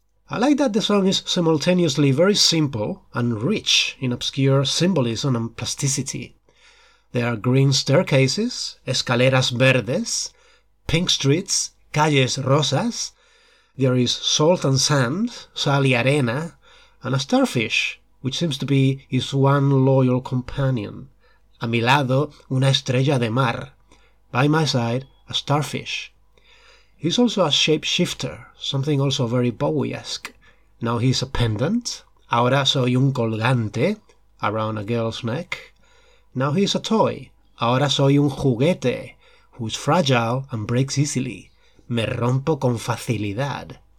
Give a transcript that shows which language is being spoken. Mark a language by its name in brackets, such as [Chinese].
[English] I like that the song is simultaneously very simple and rich in obscure symbolism and plasticity. There are green staircases, [Spanish] escaleras verdes, [English] pink streets, [Spanish] calles rosas, [English] there is salt and sand, [Spanish] sal y arena, [English] and a starfish, which seems to be his one loyal companion. [Spanish] A mi lado, una estrella de mar. [English] By my side, a starfish. He's also a shapeshifter, something also very Bowie-esque. Now he's a pendant, [Spanish] ahora soy un colgante, [English] around a girl's neck. Now he's a toy, [Spanish] ahora soy un juguete, [English] who's fragile and breaks easily, [Spanish] me rompo con facilidad.